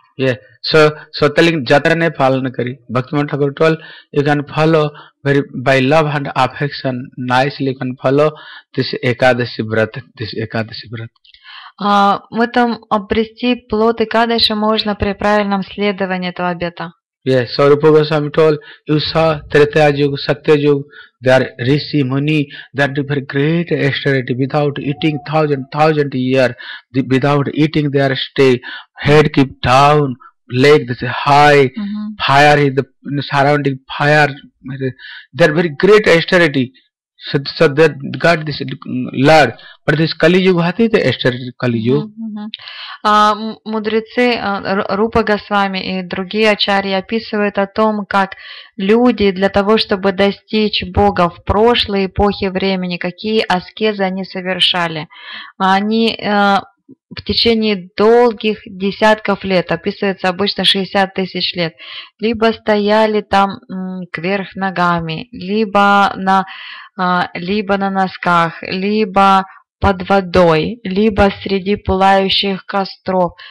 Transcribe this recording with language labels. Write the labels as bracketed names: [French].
[English] Yeah. So telling Jatrane Palanakari, Bhaktivinoda Thakur told, you can follow very, by love and affection, nicely you can follow this Ekadasi Vrata, this Ekadasi Vrata. [Russian] В этом обрести плод Экадаши можно при правильном следовании этого обета. [English] Yes, so Rupa Goswami told, you saw Tritya Yuga, Satya Yuga, they are Rishi, Muni, they are very great austerity, without eating thousand years, without eating their stay, head keep down, lake, this high fire, the surrounding fire, there very great austerity. So that got this Lord. But this Kali Yuga, what is the austerity Kali Yuga? [Russian] Мудрецы Рупа Госвами и другие ачарьи описывают о том, как люди для того, чтобы достичь Бога в прошлой эпохе времени, какие аскезы они совершали. Они в течение долгих десятков лет, описывается обычно 60 тысяч лет, либо стояли там кверх ногами, либо на носках, либо под водой, либо среди пылающих костров.